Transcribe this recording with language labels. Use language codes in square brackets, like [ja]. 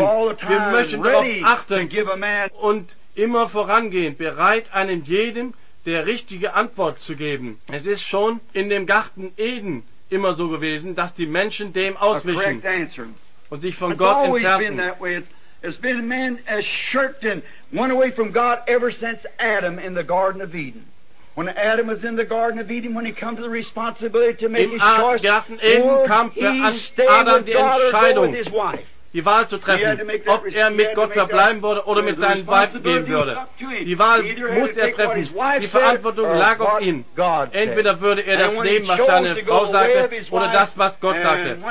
[de] Wir möchten darauf achten und immer vorangehen, bereit, einem jedem der richtige Antwort zu geben. Es ist schon in dem Garten Eden immer so gewesen, dass die Menschen dem auswichen und sich von Gott entfernten. [en] It's been a man as shirked and went away from God ever since Adam in the Garden of Eden. When Adam was in the Garden of Eden, when he came to the responsibility to make his choice, [de] Garten Eden kam für Adam die Entscheidung, die Wahl zu treffen, ob er mit Gott verbleiben würde oder mit seinen Weib gehen würde. Die Wahl musste er treffen. Die Verantwortung lag auf ihm. Entweder würde er das nehmen, was seine Frau sagte, oder das, was Gott sagte.